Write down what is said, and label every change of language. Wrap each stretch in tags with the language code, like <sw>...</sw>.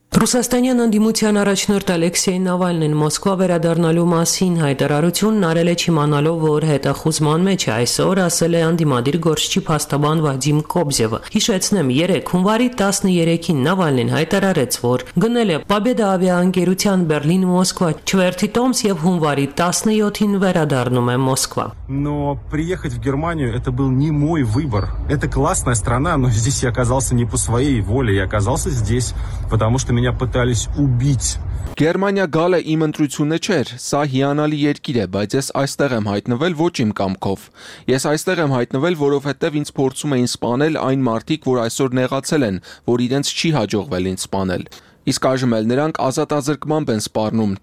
<hy>Ռուսաստանյան անդիմության առաջնորդ Ալեքսեյ Նավալնին Մոսկվա վերադառնալու մասին հայտարարությունն արել է չիմանալով, որ հետախուզման մեջ է այսօր, ասել է անդիմադիր գործչի փաստաբան Վադիմ Կոբզևը։ Հիշեցնեմ, 3 հունվարի 13-ին Նավալնին հայտարարեց, որ գնել է Պաբեդա ավիաընկերության Բեռլին-Մոսկվա չվերթի տոմս և հունվարի 17-ին վերադառնում է Մոսկվա։</hy> <ru>Но приехать в Германию это был не мой выбор. Это классная страна, но здесь я оказался не по своей воле, я оказался здесь, потому что меня пытались убить.</ru> <hy>Գերմանիա գալը իմ ընտրությունը չէր, սա հիանալի երկիր է, բայց ես այստեղ եմ հայտնվել ոչ իմ կամքով։ Ես այստեղ եմ հայտնվել, որովհետև ինձ փորձում էին սպանել այն մարդիկ, որ այսօր նեղացել են, որ իրենց չի հաջողվել ինձ սպանել։ իսկ այժմ էլ նրանք ազատազրկմամբ են սպառնում։</hy>